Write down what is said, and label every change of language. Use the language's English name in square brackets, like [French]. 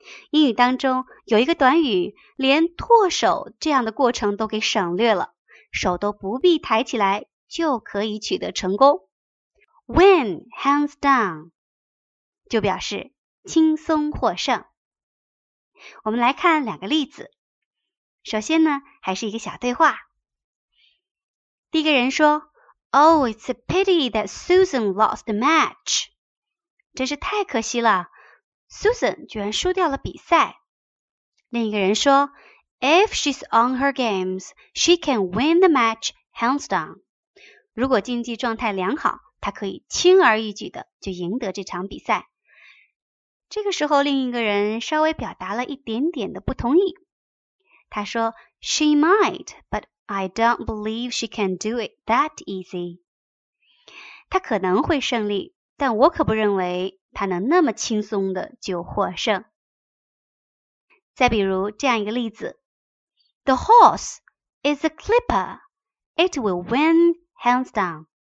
[Chinese] 英语当中有一个短语，连唾手这样的过程都给省略了，手都不必抬起来就可以取得成功。 Win hands down 就表示轻松获胜。我们来看两个例子。首先呢，还是一个小对话。第一个人说， [English] Oh, it's a pity that Susan lost the match. [Chinese] 真是太可惜了， Susan 居然输掉了比赛。另一个人说， [English] If she's on her games, she can win the match hands down. [Chinese] 如果竞技状态良好，她可以轻而易举的就赢得这场比赛。这个时候另一个人稍微表达了一点点的不同意。他说， [English] She might, but I don't believe she can do it that easy. [Chinese] 她可能会胜利，但我可不认为她能那么轻松的就获胜。再比如这样一个例子。 [English] The horse is a clipper. It will win hands down.